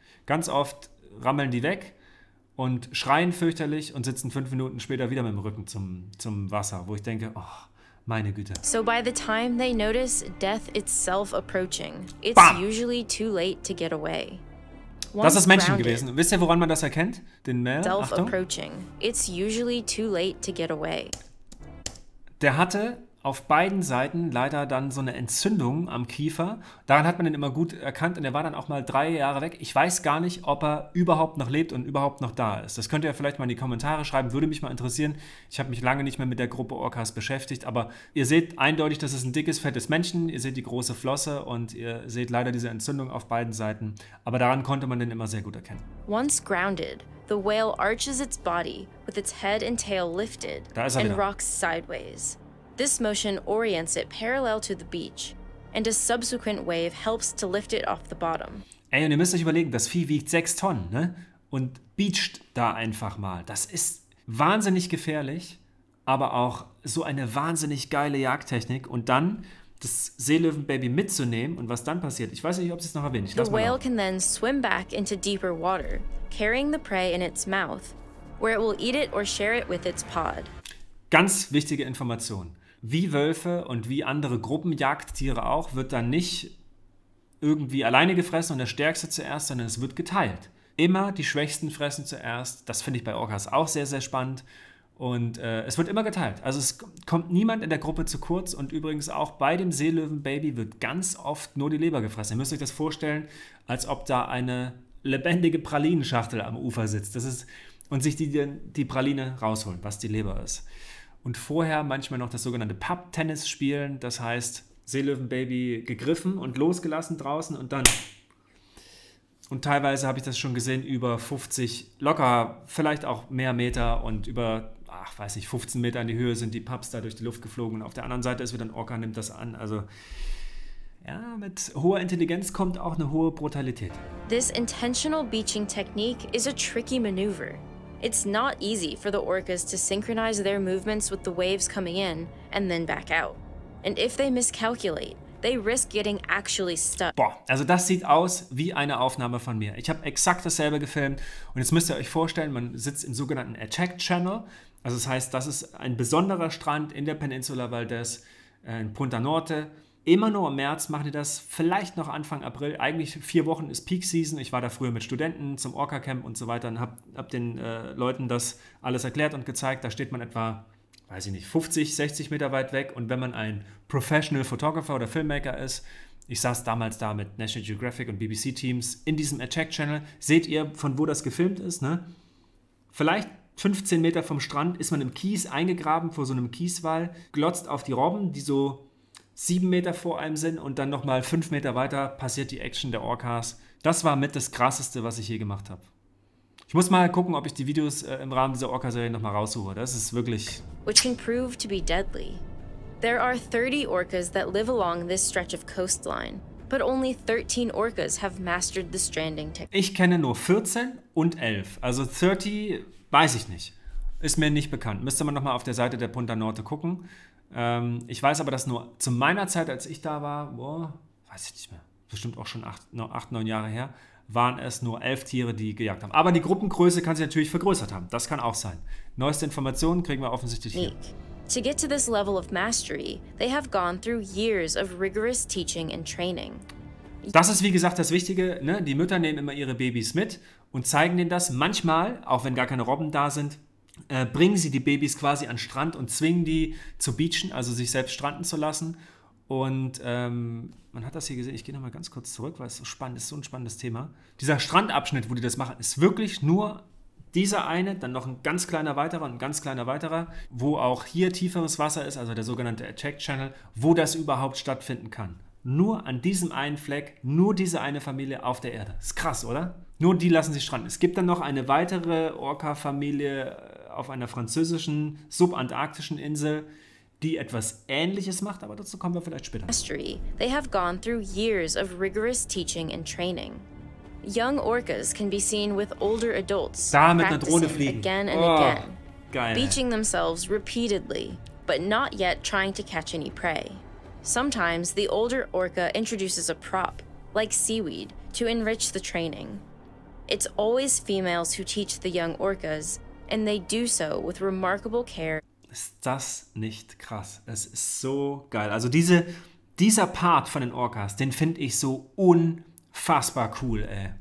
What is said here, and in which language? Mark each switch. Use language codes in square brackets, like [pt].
[de] Ganz oft rammeln die weg und schreien fürchterlich und sitzen 5 Minuten später wieder mit dem Rücken zum Wasser, wo ich denke, oh, meine Güte. [en] So by the time they notice death itself approaching, it's usually too late to get away. [de] Das ist Menschen gewesen. Wisst ihr, woran man das erkennt? Den Mel? Achtung. [en] It's usually too late to get away. [de] Der hatte auf beiden Seiten leider dann so eine Entzündung am Kiefer. Daran hat man ihn immer gut erkannt und er war dann auch mal 3 Jahre weg. Ich weiß gar nicht, ob er überhaupt noch lebt und überhaupt noch da ist. Das könnt ihr vielleicht mal in die Kommentare schreiben. Würde mich mal interessieren. Ich habe mich lange nicht mehr mit der Gruppe Orcas beschäftigt. Aber ihr seht eindeutig, das ist ein dickes, fettes Männchen. Ihr seht die große Flosse und ihr seht leider diese Entzündung auf beiden Seiten. Aber daran konnte man den immer sehr gut erkennen. [en] Once grounded, the whale arches its body with its head and tail lifted and rocks sideways. This motion orients it parallel to the beach and a subsequent wave helps to lift it off the bottom. [de] Ey, und ihr müsst euch überlegen, das Vieh wiegt 6 Tonnen, ne? Und beacht da einfach mal. Das ist wahnsinnig gefährlich, aber auch so eine wahnsinnig geile Jagdtechnik. Und dann das Seelöwenbaby mitzunehmen und was dann passiert. Ich weiß nicht, ob sie es noch erwähnt. [en] The whale can then swim back into deeper water, carrying the prey in its mouth, where it will eat it or share it with its pod. [de] Ganz wichtige Information. Wie Wölfe und wie andere Gruppenjagdtiere auch, wird dann nicht irgendwie alleine gefressen und der Stärkste zuerst, sondern es wird geteilt. Immer die Schwächsten fressen zuerst. Das finde ich bei Orcas auch sehr, sehr spannend. Und es wird immer geteilt. Also es kommt niemand in der Gruppe zu kurz. Und übrigens auch bei dem Seelöwenbaby wird ganz oft nur die Leber gefressen. Ihr müsst euch das vorstellen, als ob da eine lebendige Pralinenschachtel am Ufer sitzt. Das ist, und sich die Praline rausholen, was die Leber ist. Und vorher manchmal noch das sogenannte Papptennis spielen, das heißt Seelöwenbaby gegriffen und losgelassen draußen und dann. Und teilweise habe ich das schon gesehen über 50 locker, vielleicht auch mehr Meter und über, ach weiß ich, 15 Meter in die Höhe sind die Paps da durch die Luft geflogen. Und auf der anderen Seite ist wieder ein Orca, nimmt das an. Also ja, mit hoher Intelligenz kommt auch eine hohe Brutalität. [en] This intentional beaching technique is a tricky maneuver. It's not easy for the orcas to synchronize their movements with the waves coming in and then back out. And if they miscalculate, they risk getting actually stuck. [de] Boah, also das sieht aus wie eine Aufnahme von mir. Ich habe exakt dasselbe gefilmt und jetzt müsst ihr euch vorstellen, man sitzt im sogenannten Attack Channel. Also das heißt, das ist ein besonderer Strand in der Peninsula Valdez, in Punta Norte. Immer nur im März machen die das, vielleicht noch Anfang April. Eigentlich 4 Wochen ist Peak Season. Ich war da früher mit Studenten zum Orca Camp und so weiter und hab den Leuten das alles erklärt und gezeigt. Da steht man etwa, weiß ich nicht, 50, 60 Meter weit weg. Und wenn man ein [en] Professional Photographer [de] oder Filmmaker ist, ich saß damals da mit National Geographic und BBC Teams in diesem Attack Channel, seht ihr, von wo das gefilmt ist, ne? Vielleicht 15 Meter vom Strand ist man im Kies eingegraben vor so einem Kieswall, glotzt auf die Robben, die so 7 Meter vor einem sind und dann nochmal 5 Meter weiter passiert die Action der Orcas. Das war mit das Krasseste, was ich je gemacht habe. Ich muss mal gucken, ob ich die Videos im Rahmen dieser Orca-Serie nochmal raussuche. Das ist wirklich. [en] Which can prove to be deadly. There are 30 orcas that live along this stretch of coastline, but only 13 orcas have mastered the stranding technique. [de] Ich kenne nur 14 und 11. Also 30 weiß ich nicht. Ist mir nicht bekannt. Müsste man nochmal auf der Seite der Punta Norte gucken. Ich weiß aber, dass nur zu meiner Zeit, als ich da war, weiß ich nicht mehr, bestimmt auch schon 8, 9 Jahre her, waren es nur 11 Tiere, die gejagt haben. Aber die Gruppengröße kann sich natürlich vergrößert haben. Das kann auch sein. Neueste Informationen kriegen wir offensichtlich hier. [en] To get to this level of mastery, they have gone through years of rigorous teaching and training. [de] Das ist wie gesagt das Wichtige, ne? Die Mütter nehmen immer ihre Babys mit und zeigen denen das. Manchmal, auch wenn gar keine Robben da sind, bringen sie die Babys quasi an den Strand und zwingen die zu beachen, also sich selbst stranden zu lassen. Und man hat das hier gesehen, ich gehe nochmal ganz kurz zurück, weil es so spannend ist, so ein spannendes Thema. Dieser Strandabschnitt, wo die das machen, ist wirklich nur dieser eine, dann noch ein ganz kleiner weiterer und ein ganz kleiner weiterer, wo auch hier tieferes Wasser ist, also der sogenannte Attack Channel, wo das überhaupt stattfinden kann. Nur an diesem einen Fleck, nur diese eine Familie auf der Erde. Ist krass, oder? Nur die lassen sich stranden. Es gibt dann noch eine weitere Orca-Familie auf einer französischen subantarktischen Insel, die etwas Ähnliches macht, aber dazu kommen wir vielleicht später. [en] History. They have gone through years of rigorous teaching and training. Young orcas can be seen with older adults practicing again and again, [de] geil. [en] Beaching themselves repeatedly, but not yet trying to catch any prey. Sometimes the older orca introduces a prop, like seaweed, to enrich the training. It's always females who teach the young orcas, and they do so with remarkable care. [de] Ist das nicht krass? Es ist so geil. Also dieser Part von den Orcas, den finde ich so unfassbar cool, ey.